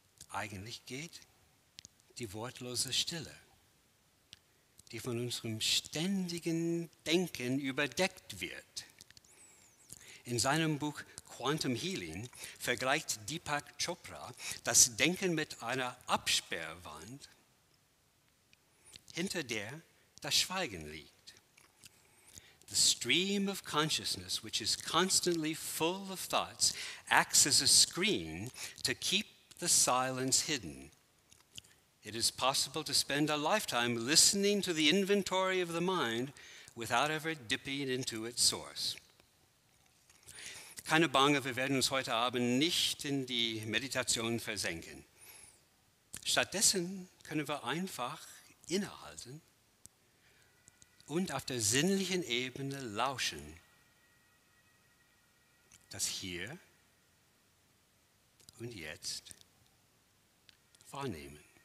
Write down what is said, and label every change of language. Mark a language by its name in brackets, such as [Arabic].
[German] Eigentlich geht die wortlose Stille, die von unserem ständigen Denken überdeckt wird. In seinem Buch Quantum Healing vergleicht Deepak Chopra das Denken mit einer Absperrwand, hinter der das Schweigen liegt. [English] The stream of consciousness, which is constantly full of thoughts, acts as a screen to keep the silence hidden. It is possible to spend a lifetime listening to the inventory of the mind without ever dipping into its source. [German] Keine Bange, wir werden uns heute Abend nicht in die Meditation versenken. Stattdessen können wir einfach innehalten und auf der sinnlichen Ebene lauschen, das hier und jetzt wahrnehmen.